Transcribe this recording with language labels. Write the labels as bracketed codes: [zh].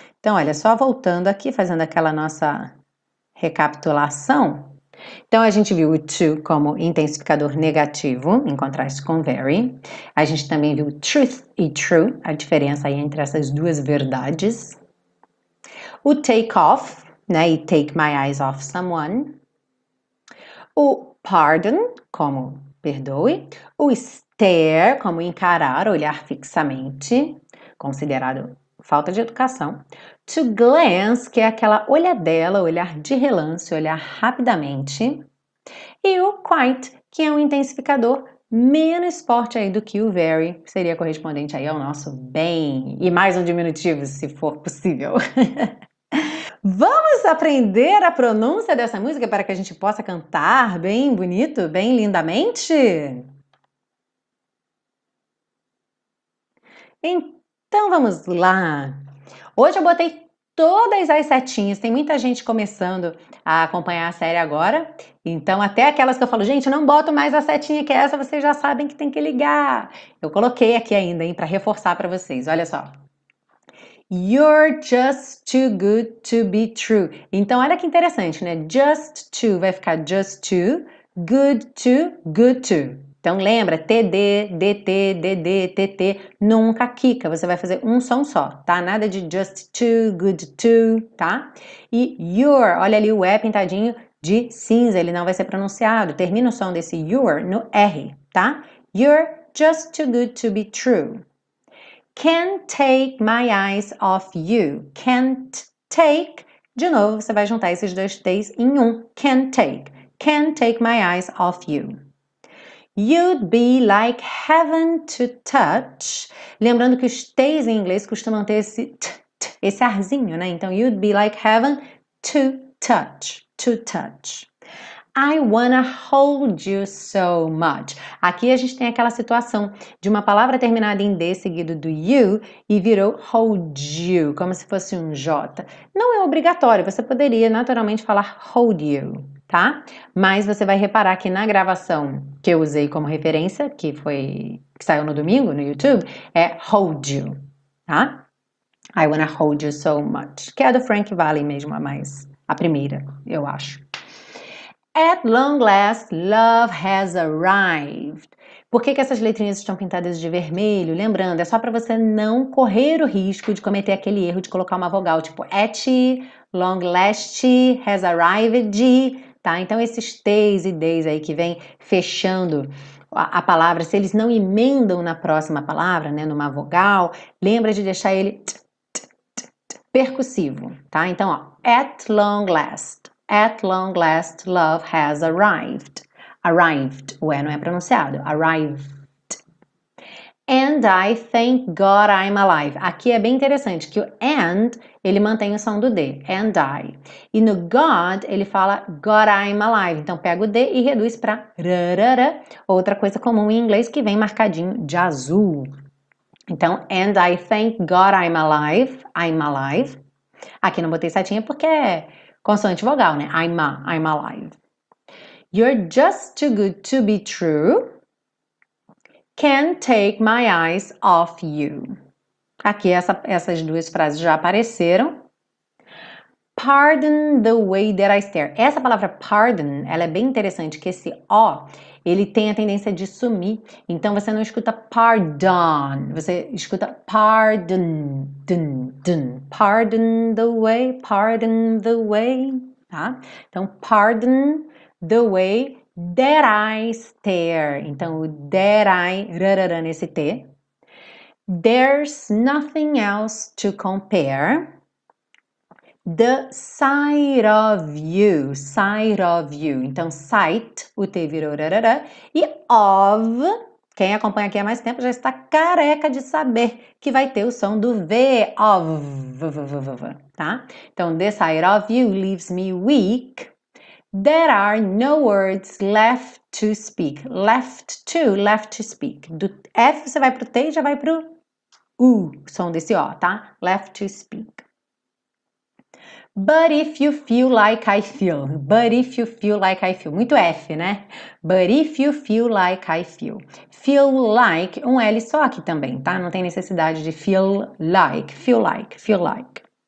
[pt] Então, olha, só voltando aqui, fazendo aquela nossa recapitulação. Então, a gente viu o to como intensificador negativo, em contraste com very. A gente também viu truth e true, a diferença aí entre essas duas verdades. O take off, né, e take my eyes off someone. O pardon, como perdoe. O stare, como encarar, olhar fixamente, considerado falta de educação. To glance, que é aquela olhadela, olhar de relance, olhar rapidamente. E o quite, que é um intensificador menos forte aí do que o very, que seria correspondente aí ao nosso bem. E mais um diminutivo, se for possível. Vamos aprender a pronúncia dessa música para que a gente possa cantar bem bonito, bem lindamente? Então vamos lá. Hoje eu botei todas as setinhas, tem muita gente começando a acompanhar a série agora. Então, até aquelas que eu falo, gente, não boto mais a setinha que é essa, vocês já sabem que tem que ligar. Eu coloquei aqui ainda, hein, para reforçar para vocês. Olha só. [en] You're just too good to be true. [pt] Então, olha que interessante, né? Just too vai ficar just too, good to, good to. Então, lembra, TD, DT, DD, TT, nunca quica. Você vai fazer um som só, tá? Nada de just too, good to, tá? E your, olha ali o E pintadinho de cinza, ele não vai ser pronunciado. Termina o som desse your no R, tá? You're [en] just too good to be true. Can't take my eyes off you. Can't take. [pt] De novo, você vai juntar esses dois T's em um. [en] Can't take. Can't take my eyes off you. You'd be like heaven to touch. [pt] Lembrando que os T's em inglês costumam ter esse t, t, esse arzinho, né? [en] Então, you'd be like heaven to touch. To touch. I wanna hold you so much. [pt] Aqui a gente tem aquela situação de uma palavra terminada em D seguido do you e virou hold you, como se fosse um J. Não é obrigatório, você poderia naturalmente falar hold you, tá? Mas você vai reparar que na gravação que eu usei como referência, que foi que saiu no domingo no YouTube, é hold you, tá? [en] I wanna hold you so much. [pt] Que é do Frank Valli mesmo, a mais a primeira, eu acho. [en] At long last, love has arrived. [pt] Por que que essas letrinhas estão pintadas de vermelho? Lembrando, é só para você não correr o risco de cometer aquele erro de colocar uma vogal, tipo at, long last, has arrived, tá? Então, esses T's e D's aí que vem fechando a palavra, se eles não emendam na próxima palavra, né, numa vogal, lembra de deixar ele t, t, t, t, percussivo, tá? [en] Então, ó, at long last. At long last, love has arrived. Arrived. [pt] Ué, não é pronunciado. [en] Arrived. And I thank God I'm alive. [pt] Aqui é bem interessante que o and, ele mantém o som do D. And I. E no God, ele fala God I'm alive. Então, pega o D e reduz pra rarara. Outra coisa comum em inglês que vem marcadinho de azul. [en] Então, and I thank God I'm alive. I'm alive. [pt] Aqui não botei setinha porque é consoante vogal, né? [en] I'm alive. You're just too good to be true. Can't take my eyes off you. [pt] Aqui essas duas frases já apareceram. [en] Pardon the way that I stare. [pt] Essa palavra pardon, ela é bem interessante, que esse O, ele tem a tendência de sumir. Então, você não escuta pardon, você escuta pardon, dun, dun. [en] Pardon the way, pardon the way, tá? Então, pardon the way that I stare. [pt] Então, o that I, rarara, nesse T. [en] There's nothing else to compare. The sight of you, sight of you. [pt] Então, sight, o T virou rarara. E of, quem acompanha aqui há mais tempo já está careca de saber que vai ter o som do V, of, v, v, v, v, v, tá? [en] Então, the sight of you leaves me weak. There are no words left to speak. Left to speak. [pt] Do F você vai pro T e já vai pro U, som desse O, tá? [en] Left to speak. But if you feel like I feel, but if you feel like I feel, [pt] muito F, né? [en] But if you feel like I feel, feel like, [pt] um L só aqui também, tá? Não tem necessidade de feel like, feel like, feel like.